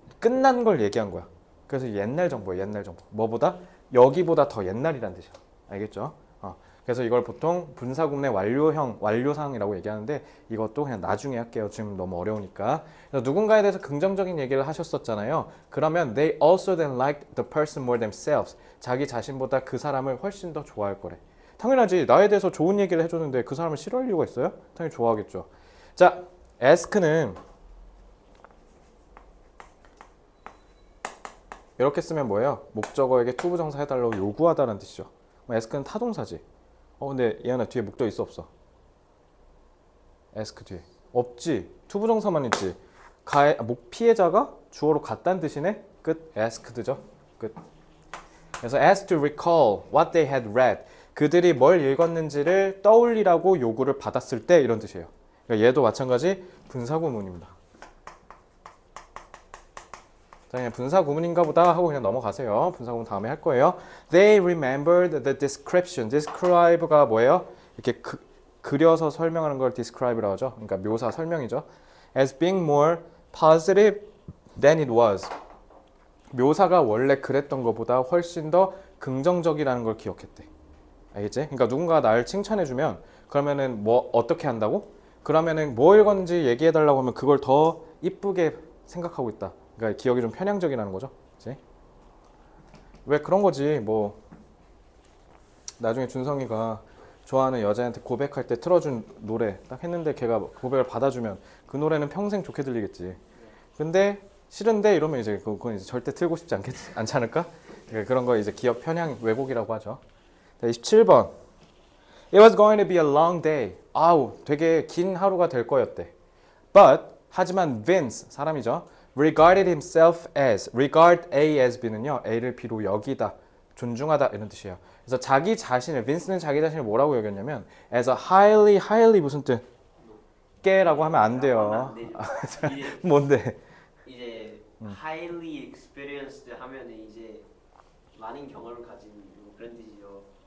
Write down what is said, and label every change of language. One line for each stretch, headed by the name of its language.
Korean: 끝난 걸 얘기한 거야. 그래서 옛날 정보야, 옛날 정보. 뭐보다? 여기보다 더 옛날이란 뜻이야. 알겠죠? 그래서 이걸 보통 분사 구문의 완료형, 완료상이라고 얘기하는데 이것도 그냥 나중에 할게요. 지금 너무 어려우니까. 그래서 누군가에 대해서 긍정적인 얘기를 하셨었잖아요. 그러면
English: they also then liked the person more themselves.
Korean: 자기 자신보다 그 사람을 훨씬 더 좋아할 거래. 당연하지. 나에 대해서 좋은 얘기를 해줬는데 그 사람을 싫어할 이유가 있어요? 당연히 좋아하겠죠. 자, ask는 이렇게 쓰면 뭐예요? 목적어에게 to 부정사 해달라고 요구하다는 뜻이죠. ask는 타동사지. 근데 얘는 뒤에 목적 있어 없어? ask 뒤에 없지. to 부정사만 있지. 피해자가 주어로 갔다는 뜻이네. 끝. asked죠. 끝. 그래서
English: ask to recall what they had read.
Korean: 그들이 뭘 읽었는지를 떠올리라고 요구를 받았을 때 이런 뜻이에요. 그러니까 얘도 마찬가지 분사 구문입니다. 그냥 분사 구문인가 보다 하고 그냥 넘어가세요. 분사 구문 다음에 할 거예요.
English: They remembered the description.
Korean: Describe가 뭐예요? 이렇게 그려서 설명하는 걸 describe라고 하죠. 그러니까 묘사, 설명이죠.
English: As being more positive than it was.
Korean: 묘사가 원래 그랬던 것보다 훨씬 더 긍정적이라는 걸 기억했대. 알겠지? 그러니까 누군가 날 칭찬해주면 그러면은 뭐 어떻게 한다고? 그러면은 뭐 읽었는지 얘기해달라고 하면 그걸 더 이쁘게 생각하고 있다. 그러니까 기억이 좀 편향적이라는 거죠. 그치? 왜 그런 거지? 뭐 나중에 준성이가 좋아하는 여자한테 고백할 때 틀어준 노래 딱 했는데 걔가 고백을 받아주면 그 노래는 평생 좋게 들리겠지. 근데 싫은데 이러면 이제 그건 이제 절대 틀고 싶지 않겠지 않잖을까? 그런 거 이제 기억 편향 왜곡이라고 하죠. 27번.
English: It was going to be a long day.
Korean: 아우, 되게 긴 하루가 될 거였대. But 하지만 Vince 사람이죠.
English: regarded himself as,
Korean: regard A as B는요, A를 B로 여기다, 존중하다, 이런 뜻이에요. 그래서 자기 자신을, 빈스는 자기 자신을 뭐라고 여겼냐면,
English: as a highly, highly
Korean: 무슨 뜻? 깨라고 하면 안 돼요. 하면 안 되죠. 뭔데? 이제 highly experienced 하면 이제 많은 경험을 가진 그런 뜻이죠.